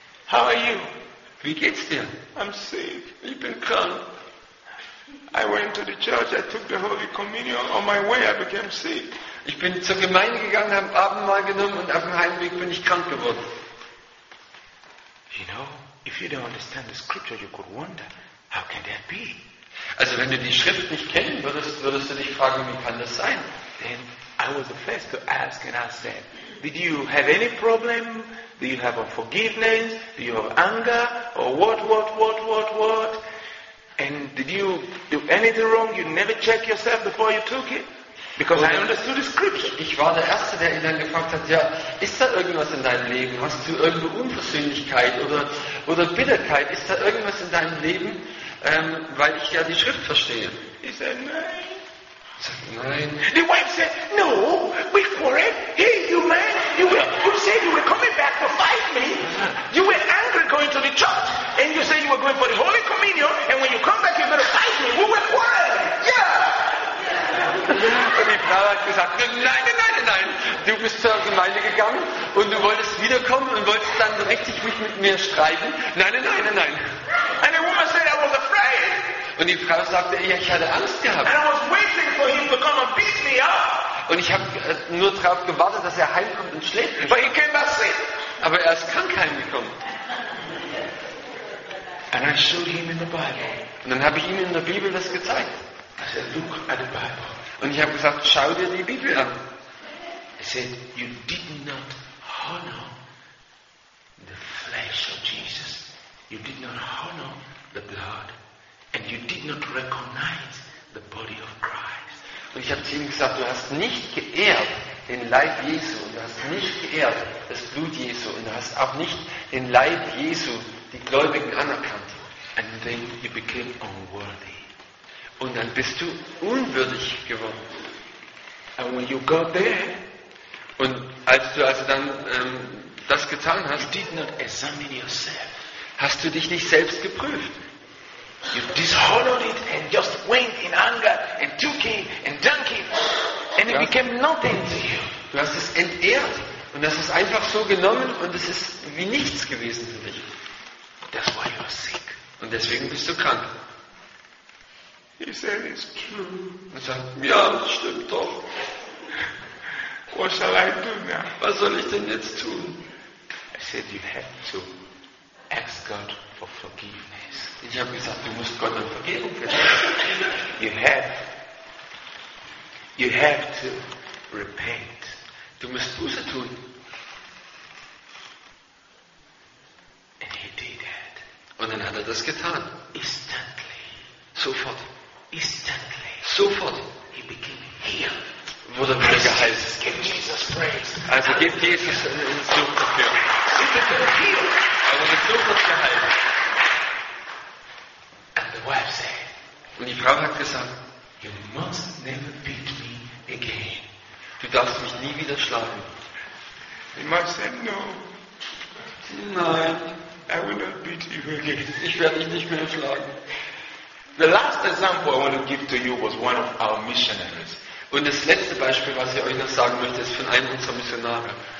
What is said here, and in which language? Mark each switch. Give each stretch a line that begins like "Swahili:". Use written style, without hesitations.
English: how are you?
German: Wie geht's dir?
English: I'm sick.
German: Ich bin krank.
English: I went to the church. I took the Holy Communion. On my way, I became sick.
German: Ich bin zur Gemeinde gegangen, habe Abendmahl genommen und auf dem Heimweg bin ich krank geworden.
English: You know, if you don't understand the scripture, you could wonder, how can that be?
German: Also, wenn du die Schrift nicht kennen würdest, würdest du dich fragen, wie kann das sein?
English: Then I was the first to ask, and I said, did you have any problem? Do you have unforgiveness? Do you have anger? Or what? And did you do anything wrong? You never check yourself before you took it? Because I understood the scripture.
German: Ich war der Erste, der ihn dann gefragt hat, ja, ist da irgendwas in deinem Leben? Hast du irgendwo Unversöhnlichkeit oder Bitterkeit? Ist da irgendwas in deinem Leben, weil ich ja die Schrift verstehe?
English: He said,
German: nein. Nein.
English: The wife said, no, wait for it. Hey, you man, you said you were coming back to fight me. You were angry going to the church. And you said you were going for the Holy Communion. And when you come back, you're going to fight me. We were quarreling. Yeah.
German: Und die Frau hat gesagt, nein, du bist zur Gemeinde gegangen und du wolltest wiederkommen und wolltest dann richtig mich mit mir streiten. Nein.
English: And the woman said, I was afraid.
German: Und die Frau sagte, ja, ich hatte Angst gehabt.
English: And I was waiting for him to come and beat me up.
German: Und ich habe nur darauf gewartet, dass er heimkommt und schläft.
English: But he came back sick.
German: Aber er ist krank heimgekommen.
English: And I showed him in the Bible.
German: Und dann habe ich ihm in der Bibel das gezeigt.
English: I said, look at the Bible.
German: Und ich habe gesagt, schau dir die Bibel an.
English: He said, you did not honor the flesh of Jesus. You did not honor the blood. And you did not recognize the body of Christ.
German: Und ich habe zu ihm gesagt, du hast nicht geehrt den Leib Jesu. Und du hast nicht geehrt das Blut Jesu. Und du hast auch nicht den Leib Jesu, die Gläubigen, anerkannt.
English: And then you became unworthy.
German: Und dann bist du unwürdig geworden.
English: And when you got there,
German: und als du also dann das getan hast,
English: you did not examine yourself.
German: Hast du dich nicht selbst geprüft.
English: You dishonored it and just went in anger and took it and drank it and it became nothing to you.
German: Du hast es entehrt und das ist einfach so genommen und es ist wie nichts gewesen für dich.
English: That's why you are sick.
German: Und deswegen bist du krank.
English: He said, it's true.
German: Er sagt, ja, das stimmt doch.
English: What shall I do now?
German: Was soll ich denn jetzt tun?
English: I said, you have to ask God for forgiveness.
German: Ich habe gesagt, du musst Gott um Vergebung bitten.
English: You have to repent.
German: Du musst Buße tun.
English: And he did that.
German: Und dann hat er das getan.
English: Instantly.
German: Sofort.
English: Instantly,
German: sofort,
English: he became healed.
German: Wurde wieder geheilt.
English: Give Jesus praise.
German: Also gib Jesus einen Lob dafür. Er wurde sofort geheilt.
English: And the wife said,
German: und die Frau hat gesagt,
English: you must never beat me again.
German: Du darfst mich nie wieder schlagen.
English: The wife said, no.
German: Nein.
English: I will not beat you again.
German: Ich werde dich nicht mehr schlagen.
English: The last example I want to give to you was one of our missionaries.
German: Und das letzte Beispiel, was ich euch noch sagen möchte, ist von einem unserer Missionare.